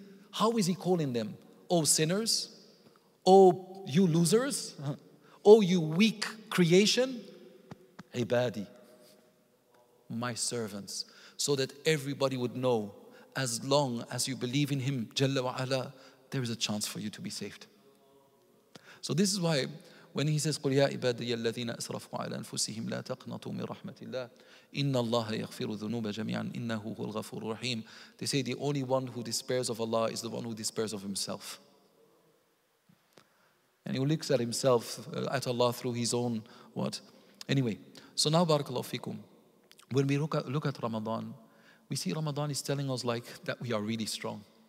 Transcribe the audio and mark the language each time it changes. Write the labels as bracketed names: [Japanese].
[English] How is He calling them? O sinners? O you losers? O you weak creation? عِبَادِي. My servants, so that everybody would know, as long as you believe in Him, Jalla wa Ala, there is a chance for you to be saved. So this is why when He says, [Arabic] قُلْ يَا عِبَادِيَ الَّذِينَ أَسْرَفُوا عَلَىٰ أَنفُسِهِمْ لَا تَقْنَطُوا مِنْ رَحْمَةِ اللَّهِ إِنَّ اللَّهَ يَغْفِرُ ذُنُوبَ جَمِيعًا إِنَّهُ هُوَ الْغَفُورُ الرَّحِيمُ. [English] They say the only one who despairs of Allah is the one who despairs of himself. And he looks at himself, at Allah through his own, what? Anyway, so now barakallahu fikum. When we look at Ramadan, we see Ramadan is telling us like that we are really strong.